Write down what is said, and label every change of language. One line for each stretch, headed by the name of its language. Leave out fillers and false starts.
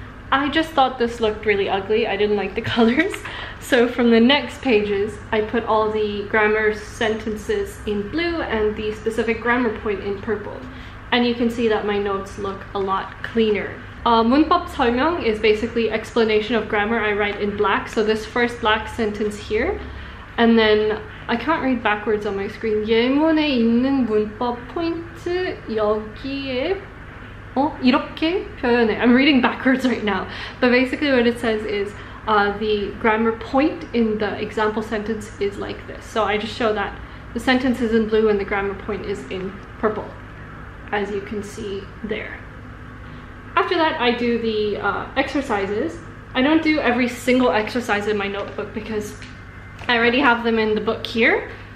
English: I just thought this looked really ugly. I didn't like the colors. So from the next pages, I put all the grammar sentences in blue and the specific grammar point in purple. And you can see that my notes look a lot cleaner. 문법 설명 is basically explanation of grammar I write in black. So this first black sentence here, and then I can't read backwards on my screen.
Korean: 예문에 있는 문법 포인트 여기에 이렇게 표현해.
English: I'm reading backwards right now. But basically what it says is the grammar point in the example sentence is like this. So I just show that the sentence is in blue and the grammar point is in purple, as you can see there. After that, I do the exercises. I don't do every single exercise in my notebook because I already have them in the book here.